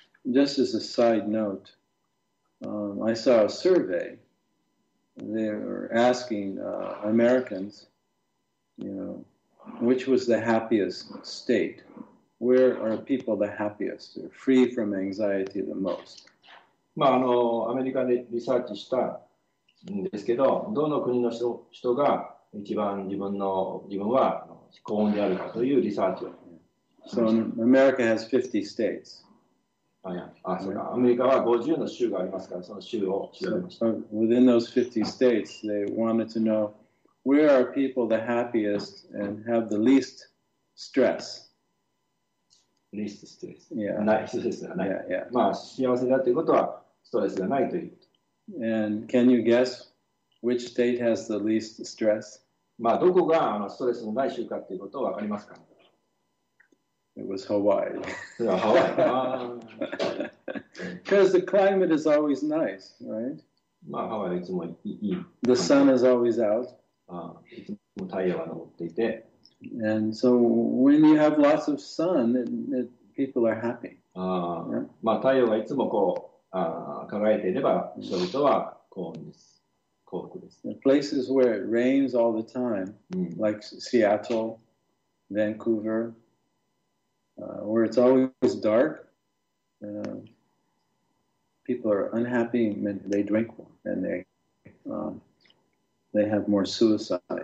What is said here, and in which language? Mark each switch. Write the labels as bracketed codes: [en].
[en] Just as a side note, I saw a survey. They were asking Americans, you know, which was the happiest state? Where are people the happiest? They're free from anxiety the most. [ja] まあ、アメリカでリサーチしたんですけど、どの国の人が一番自分は幸運であるかというリサーチを。 [en] So America has 50 states. [ja] アメリカは50の州がありますから、その州を調べました。 [en] So, within those 50 states, they wanted to know where are people the happiest and have the least stress. Least stress. Yeah. [ja] ない、ストレスがない。 [en] Yeah, yeah. [ja] まあ、幸せだということは、ストレスがないということ。 [en] And can you guess which state has the least stress? [ja] まあ、どこがストレスのない州かということは分かりますか? [en] It was Hawaii. Because the climate is always nice, right? [ja] まあ、ハワイはいつもいい。 [en] The sun is always out. [ja] いつも太陽は昇っていて。 [en] And so when you have lots of sun, people are happy. [ja] まあ、太陽がいつもこう、輝いていれば、人々は幸運です。幸福です。 [en] The places where it rains all the time, like Seattle, Vancouver,where it's always dark, people are unhappy, and they drink more, and they have more suicide.